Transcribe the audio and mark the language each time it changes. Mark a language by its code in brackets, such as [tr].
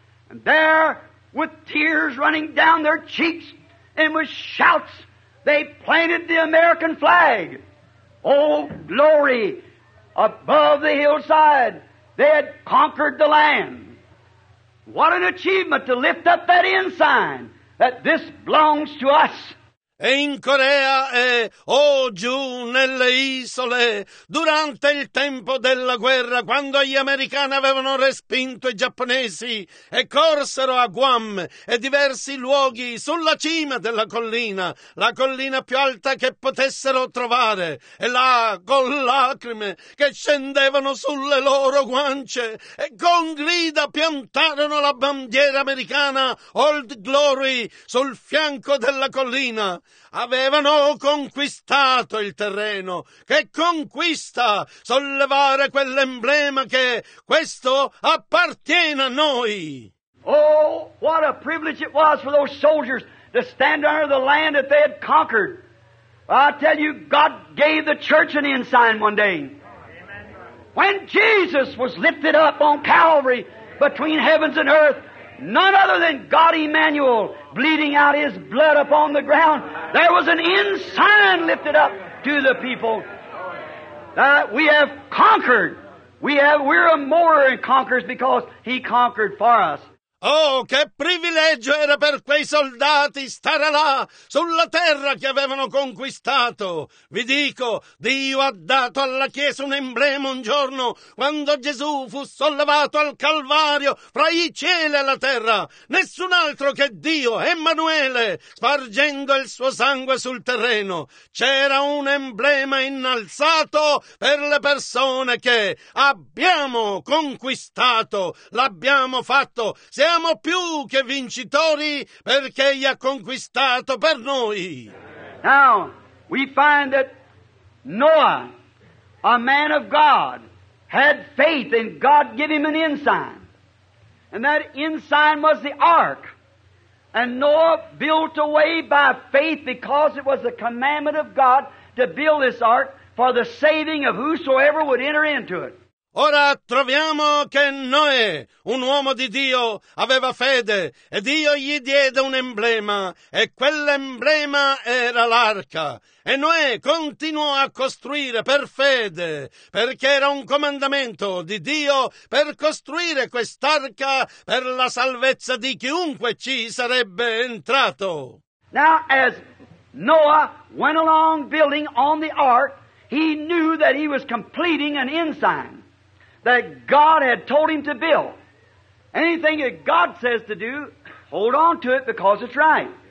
[en] And there, with tears running down their cheeks and with shouts, they planted the American flag. Oh, glory! Above the hillside, they had conquered the land. What an achievement to lift up that ensign that this belongs to us. [it] E in Corea e giù nelle isole, durante il tempo della guerra, quando gli americani avevano respinto i giapponesi e corsero a Guam e diversi luoghi sulla cima della collina, la collina più alta che potessero trovare, e là con lacrime che scendevano sulle loro guance e con grida piantarono la bandiera americana Old Glory sul fianco della collina. Avevano conquistato il terreno. Che conquista sollevare quell'emblema che questo appartiene a noi. [en] Oh, what a privilege it was for those soldiers to stand under the land that they had conquered. I tell you, God gave the church an ensign one day. When Jesus was lifted up on Calvary between heavens and earth, none other than God Emmanuel bleeding out his blood upon the ground. There was an ensign lifted up to the people that we have conquered. We're more than conquerors because he conquered for us. [it] Oh, che privilegio era per quei soldati stare là, sulla terra che avevano conquistato. Vi dico, Dio ha dato alla Chiesa un emblema un giorno, quando Gesù fu sollevato al Calvario fra i cieli e la terra. Nessun altro che Dio, Emanuele, spargendo il suo sangue sul terreno. C'era un emblema innalzato per le persone che abbiamo conquistato, l'abbiamo fatto. Siamo più che vincitori perché egli ha conquistato per noi. [en] Now, we find that Noah, a man of God, had faith and God gave him an ensign. And that ensign was the ark. And Noah built away by faith because it was the commandment of God to build this ark for the saving of whosoever would enter into it. [it] Ora troviamo che Noè, un uomo di Dio, aveva fede e Dio gli diede un emblema e quell'emblema era l'arca. E Noè continuò a costruire per fede perché era un comandamento di Dio per costruire quest'arca per la salvezza di chiunque ci sarebbe entrato. [en] Now as Noah went along building on the ark, he knew that he was completing an ensign that God had told him to build. Anything that God says to do, hold on to it because it's right.